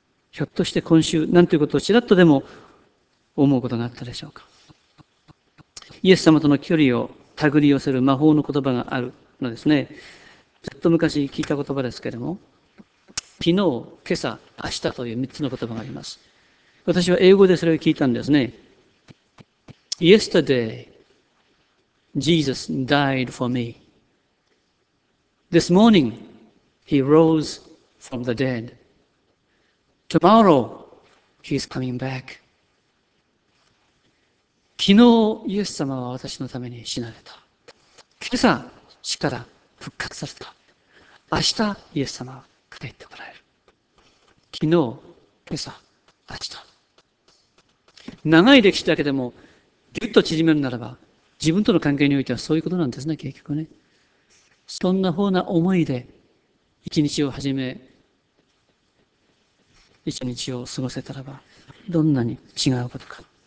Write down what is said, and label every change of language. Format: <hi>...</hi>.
<ja>ひょっとして今週なんていうことをちらっとでも思うことがあったでしょうか。イエス様との距離を手繰り寄せる魔法の言葉があるのですね。ちょっと昔聞いた言葉ですけれども、昨日、今朝、明日という3つの言葉があります。私は英語でそれを聞いたんですね。</ja> <en>Yesterday, Jesus died for me. This morning, he rose from the dead. Tomorrow, he's coming back.</en> <ja>昨日、イエス様は私のために死なれた。今朝、死から復活された。明日、イエス様は帰ってこられる。昨日、今朝、明日、長い歴史だけでもぎゅっと縮めるならば、自分との関係においてはそういうことなんですね。結局ね、そんなふうな思いで一日を始め、一日を過ごせたらば、どんなに違うことか。</ja>